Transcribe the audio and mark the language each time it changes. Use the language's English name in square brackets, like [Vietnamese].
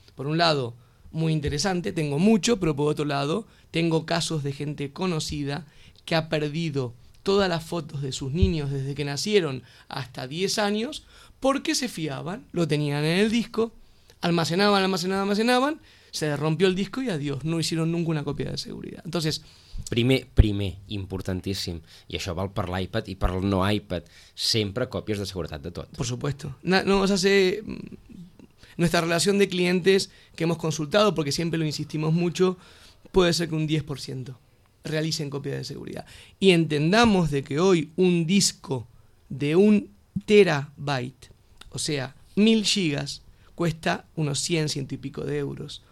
[Spanish] por un lado, muy interesante, tengo mucho, pero por otro lado, tengo casos de gente conocida que ha perdido todas las fotos de sus niños desde que nacieron hasta 10 años porque se fiaban, lo tenían en el disco, almacenaban, se les rompió el disco y adiós, no hicieron nunca una copia de seguridad. Entonces, [Catalan] primer, importantíssim, i això val per l'iPad i per el no iPad, sempre còpies de seguretat de tot. [Spanish] Por supuesto. No vas a ser... Nuestra relación de clientes que hemos consultado, porque siempre lo insistimos mucho, puede ser que un 10% realicen copias de seguridad. Y entendamos de que hoy un disco de un terabyte, o sea, 1000 gigas, cuesta unos 100 y pico de euros.